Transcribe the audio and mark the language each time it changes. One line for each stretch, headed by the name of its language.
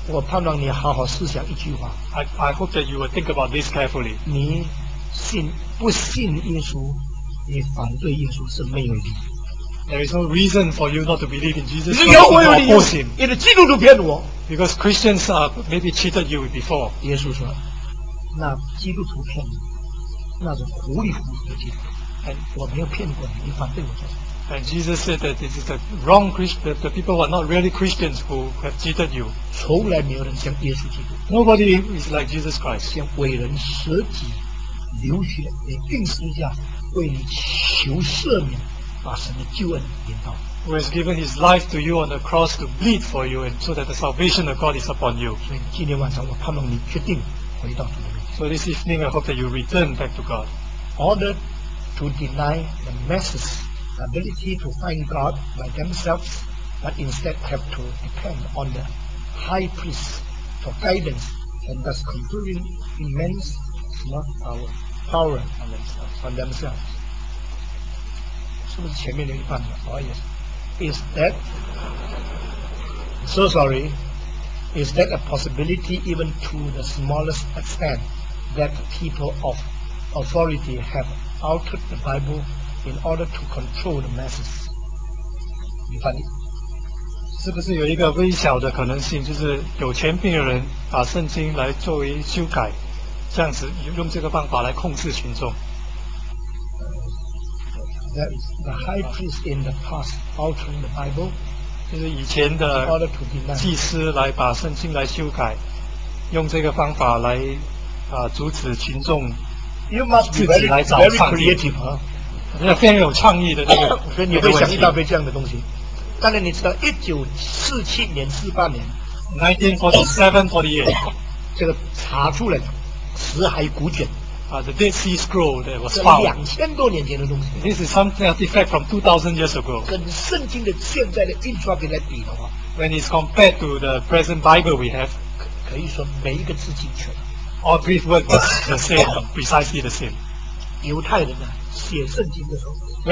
Chinese: 我盼望你好好思想一句话。
English: I hope that you will think about this carefully.
Chinese: 你信不信耶稣？你反对耶稣是没有理。
English: There is no reason for you not to believe in Jesus.
Chinese: 你有我有理由。因为基督徒骗我。
English: Because Christians are maybe cheated you before.
Chinese: 耶稣说，那基督徒骗你，那是糊里糊涂的基督徒。
English: And
Chinese: 我没有骗过你，你反对我。
English: And Jesus said that this is the wrong Christian. The people who are not really Christians who have cheated you.
Chinese: 从来没有人像耶稣基督。
English: Nobody is like Jesus Christ.
Chinese: 像伟人舍己流血，你钉十字架，为你求赦免，把神的救恩领到。
English: Who has given his life to you on the cross to bleed for you, and so that the salvation of God is upon you.
Chinese: 所以今天晚上我盼望你决定回到主的面前。
English: So this evening, I hope that you return back to God. Ordered to deny the masses' ability to find God by themselves, but instead have to depend on the high priest for guidance, and thus conferring immense not our power on themselves. On themselves.
Chinese: 是不是前面的一半呢？哦，也是。
English: Is that, so sorry, is that a possibility even to the smallest extent that people of authority have altered the Bible in order to control the masses?
Chinese: 你翻译。是不是有一个微小的可能性，就是有权柄的人把圣经来作为修改，这样子用这个办法来控制群众？
English: That is the high priest in the past altering the Bible.
Chinese: 就是以前的祭司来把圣经来修改，用这个方法来阻止群众自己来找创意。
English: You must be very creative, huh?
Chinese: 非常有创意的这个。所以你会想一大堆这样的东西。当然，你知道1947年、48年 1947-48 这个查出来的死海古卷。
English: The Dead Sea Scroll that was found.
Chinese: 两千多年前的东西。
English: This is something artifact from 2,000 years ago.
Chinese: 跟圣经的现在的印刷品来比的话
English: ，When it's compared to the present Bible we have,
Chinese: 可以说每一个字精确。
English: All brief work was the same, precisely the same.
Chinese: 犹太人呢，写圣经的时候